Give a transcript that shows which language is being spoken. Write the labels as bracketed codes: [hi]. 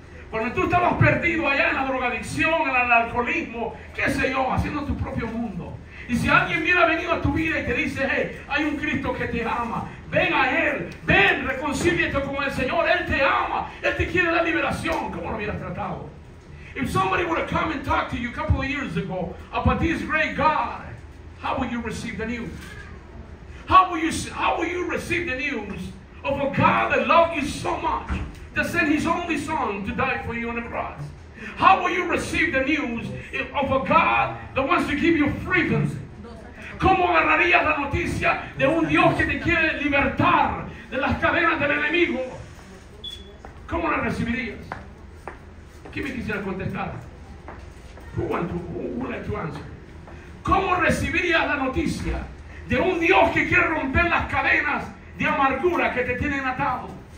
[es] cuando tú estabas perdido allá en la drogadicción, en el alcoholismo, qué sé yo, haciendo tu propio mundo, y si alguien hubiera venido a tu vida y te dice, hey, hay un Cristo que te ama, ven a Él, ven, reconcíliate con el Señor, Él te ama, Él te quiere dar liberación, ¿cómo lo hubieras tratado? [en] If somebody would have come and talked to you a couple of years ago about this great God, how will you receive the news? How will you receive the news of a God that loved you so much that sent His only Son to die for you on the cross? How will you receive the news of a God that wants to give you freedom? [es] ¿Cómo agarrarías la noticia de un Dios que te quiere libertar de las cadenas del enemigo? ¿Cómo la recibirías? ¿Quién me quisiera contestar? [en] Who would like to answer? [es] ¿Cómo recibiría la noticia de un Dios que quiere romper las cadenas de amargura que te tienen atado?